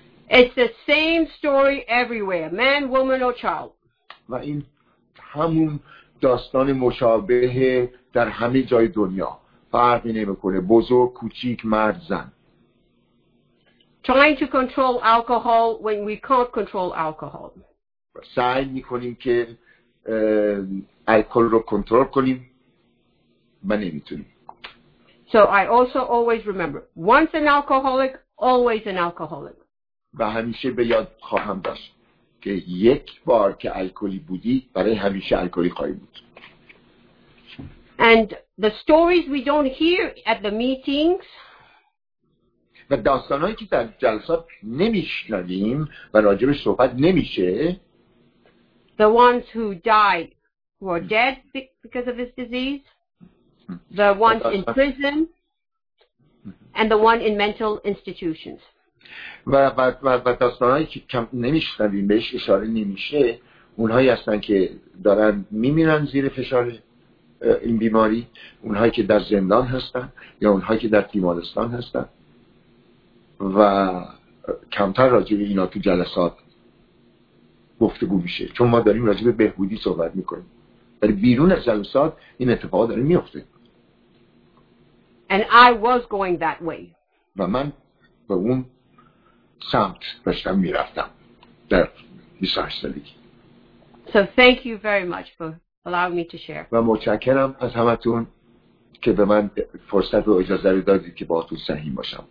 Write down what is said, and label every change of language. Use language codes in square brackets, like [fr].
[en] It's the same story everywhere, man, woman or child. [fa] و این همون داستان مشابه در همه جای دنیا فرقی نمی‌کنه، بزرگ کوچیک، مرد زن. [en] Trying to control alcohol when we can't control alcohol. [fa] سعی می‌کنیم که الکل رو کنترل کنیم، ما نمی‌تونیم. [en] So I also always remember, once an alcoholic, always an alcoholic. [fa] و همیشه به یاد خواهم داشت که یک بار که الکلی بودی برای همیشه الکلی خواهی بود. [en] And the stories we don't hear at the meetings. [fa] و داستانایی که در جلسات نمیشنویم و راجبش صحبت نمیشه. [en] The ones who died, who are dead because of this disease. The ones in prison. And the one in mental institutions. [fa] و داستانهایی که کم نمیشنویم بهش اشاره نمیشه اونهایی هستن که دارن میمیرن زیر فشار این بیماری، اونهایی که در زندان هستن یا اونهایی که در تیمارستان هستن، و کمتر راجع به اینا تو جلسات گفتگو میشه چون ما داریم راجع به بهبودی صحبت میکنیم، ولی بیرون از جلسات این اتفاقا داره میفته. [en] And I was going that way. [fa] و من به اون سمت داشتم میرفتم در 28 سالگی. [en] So thank you very much for allowing me to share. [fa] و متشکرم از همتون که به من فرصت و اجازه رو دادید که باهاتون سهیم باشم.